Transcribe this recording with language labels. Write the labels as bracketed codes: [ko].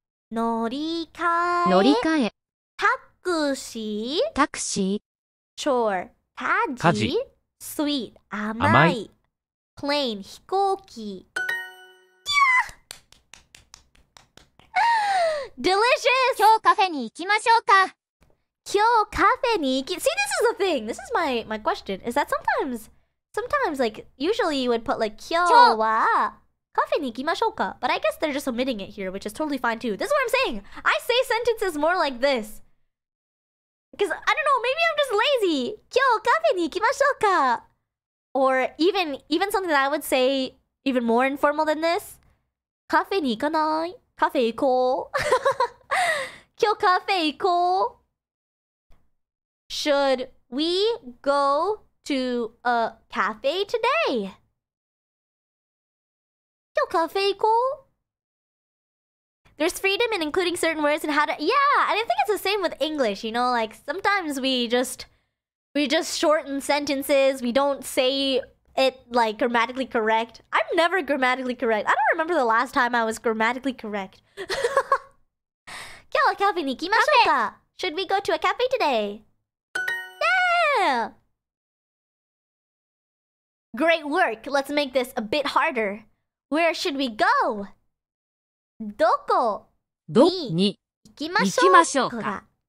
[ja] 乗り換え.タクシー.Chore. Kaji. Sweet. 甘い.Plane. 飛行機. [en] Delicious! [ja] 今日カフェに行きましょうか。 Kyo cafe ni iki. [en] See, this is the thing. This is my question. Is that sometimes, like, usually you would put like, [ja] Kyo wa cafe ni ikimashou ka. [en] But I guess they're just omitting it here, which is totally fine too. This is what I'm saying. I say sentences more like this. Because, I don't know, maybe I'm just lazy. [ja] Kyo cafe ni ikimashou ka. [en] Or even something that I would say even more informal than this. [ja] Cafe ni ikanai. Cafe iko. Kyo cafe iko. [en] Should we go to a cafe today? [ja] 今日カフェ行こう? [en] There's freedom in including certain words and how to... Yeah, and I think it's the same with English, you know? Like, sometimes we just shorten sentences. We don't say it, like, grammatically correct. I'm never grammatically correct. I don't remember the last time I was grammatically correct. [ja] 今日カフェに行きましょうか? [en] Should we go to a cafe today? Great work! Let's make this a bit harder. Where should we go? [ja] どこに行きましょうか。